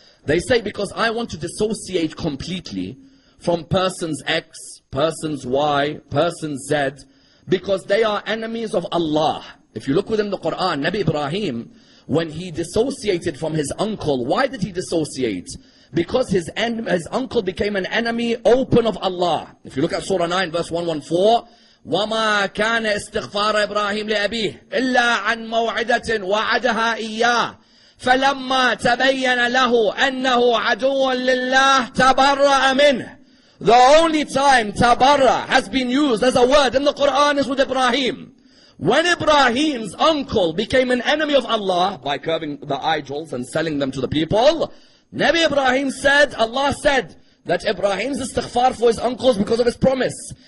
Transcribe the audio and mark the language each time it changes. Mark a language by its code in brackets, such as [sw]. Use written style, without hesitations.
[en] They say, because I want to dissociate completely from persons X, persons Y, persons Z, because they are enemies of Allah. If you look within the Quran, Nabi Ibrahim, when he dissociated from his uncle, why did he dissociate? Because his uncle became an enemy open of Allah. If you look at Surah 9, verse 114, [ar] وَمَا كَانَ إِسْتِغْفَارَ إِبْرَاهِيمَ لِأَبِيهِ إِلَّا عَنْ مَوْعِدَةٍ وَعَدَهَا إِيَّاهِ فَلَمَّا تَبَيَّنَ لَهُ أَنَّهُ عَدُوٌ لِلَّهِ تَبَرَّأَ مِنْهِ. [en] The only time Tabarra has been used as a word in the Quran is with Ibrahim. When Ibrahim's uncle became an enemy of Allah by curving the idols and selling them to the people, Nabi Ibrahim said, Allah said that Ibrahim's istighfar for his uncle is because of his promise.